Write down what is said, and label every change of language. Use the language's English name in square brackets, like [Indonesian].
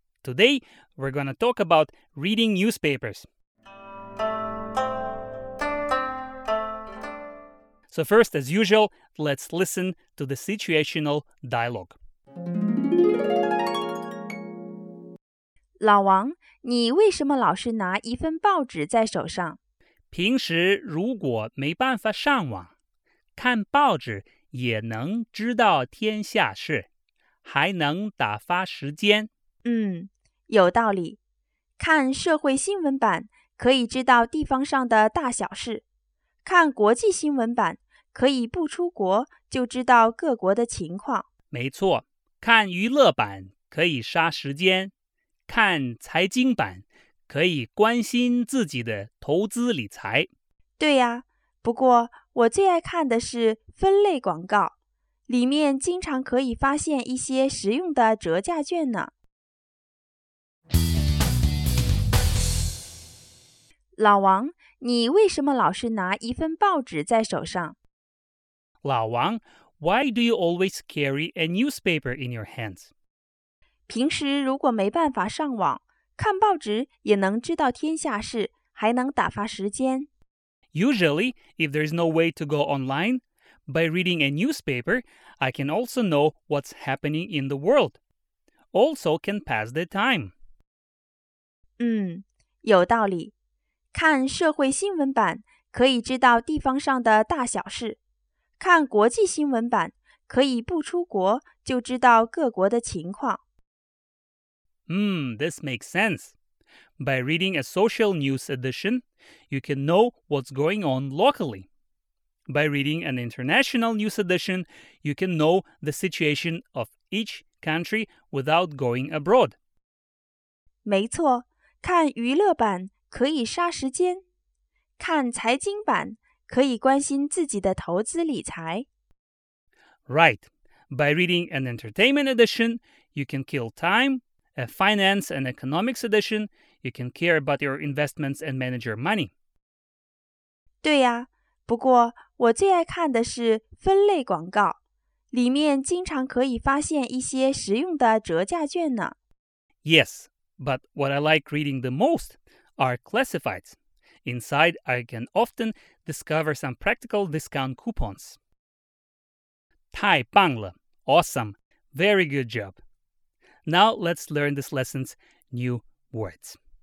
[English] Today, we're going to talk about reading newspapers. So first, as usual, let's listen to the situational dialogue. [Chinese] 老王，你为什么老是拿一份报纸在手上？平时如果没办法上网，看报纸也能知道天下事，还能打发时间。嗯，有道理。看社会新闻版可以知道地方上的大小事，看国际新闻版可以不出国就知道各国的情况。没错，看娱乐版可以杀时间，看财经版可以关心自己的投资理财。对呀，不过我最爱看的是分类广告，里面经常可以发现一些实用的折价券呢。老王，你为什么老是拿一份报纸在手上？ [English] 老王， why do you always carry a newspaper in your hands? [Chinese] 平时如果没办法上网，看报纸也能知道天下事，还能打发时间。 [English] Usually, if there is no way to go online, by reading a newspaper, I can also know what's happening in the world. Also can pass the time. [Chinese] 嗯，有道理。看社会新闻版可以知道地方上的大小事。看国际新闻版可以不出国就知道各国的情况。 [English] This makes sense. By reading a social news edition, you can know what's going on locally. By reading an international news edition, you can know the situation of each country without going abroad. [Chinese] 没错，看娱乐版可以杀时间，看财经版可以关心自己的投资理财。 [English] Right. By reading an entertainment edition, you can kill time. A finance and economics edition, you can care about your investments and manage your money. [Chinese] 对呀，不过我最爱看的是分类广告，里面经常可以发现一些实用的折价券呢。 [English] Yes, but what I like reading the most are classifieds. Inside, I can often discover some practical discount coupons. [Chinese] 太棒了 [English] ！Awesome! Very good job! Now, let's learn this lesson's new words.